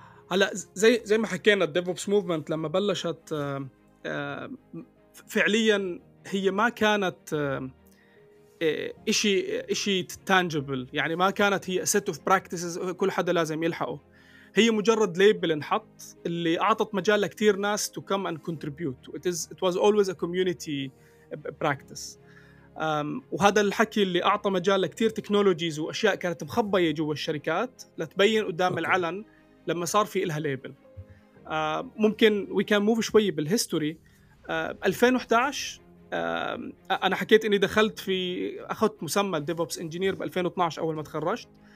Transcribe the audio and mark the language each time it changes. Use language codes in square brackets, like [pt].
[ar] هلا زي ما حكينا الديفوبس موفمنت لما بلشت فعليا هي ما كانت إشي تانجبل، يعني ما كانت هي [en] set of practices [ar] كل حدا لازم يلحقه. هي مجرد label انحط اللي أعطت مجال لكتير ناس [en] to come and contribute. It was always a community practice. [ar] وهذا الحكي اللي أعطى مجال لكتير technologies وأشياء كانت مخبية جوا الشركات لتبين قدام okay. العلن لما صار في إلها label. ممكن [en] we can move [ar] شوي بالهيستوري. 2011 أنا حكيت إني دخلت في أخذت مسمى ديفوبس إنجينير ب 2012 أول ما تخرجت.